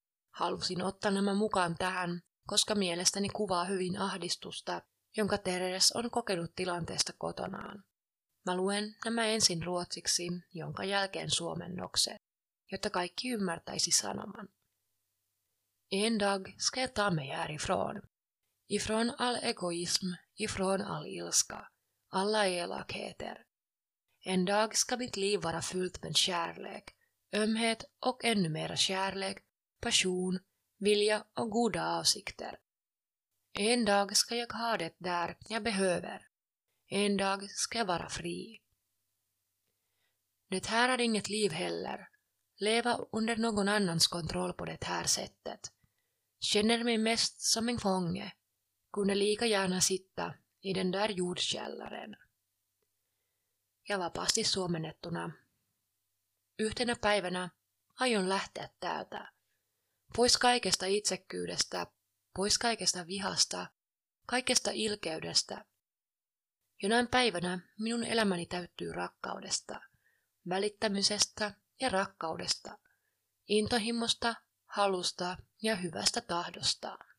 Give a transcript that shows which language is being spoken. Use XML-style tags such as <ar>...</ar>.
<fi>Halusin ottaa nämä mukaan tähän, koska mielestäni kuvaa hyvin ahdistusta, jonka Teres on kokenut tilanteesta kotonaan. Mä luen nämä ensin ruotsiksi, jonka jälkeen suomennokset, jotta kaikki ymmärtäisi sanoman.</fi> <sv>En dag ska jag ta mig härifrån. Ifrån all egoism, ifrån all ilska, alla elakheter. En dag ska mitt liv vara fyllt med kärlek, ömhet och ännu mer kärlek, passion, vilja och goda avsikter. En dag ska jag ha det där jag behöver. En dag ska jag vara fri. Det här är inget liv heller. Leva under någon annans kontroll på det här sättet. Känner mig mest som en fånge. Kunde lika gärna sitta i den där jordkällaren.</sv> <fi>Ja vapaasti suomennettuna. Yhtenä päivänä aion lähteä täältä. Pois kaikesta itsekkyydestä, pois kaikesta vihasta, kaikesta ilkeydestä. Jonain päivänä minun elämäni täyttyy rakkaudesta, välittämisestä ja rakkaudesta, intohimmosta, halusta ja hyvästä tahdosta.</fi>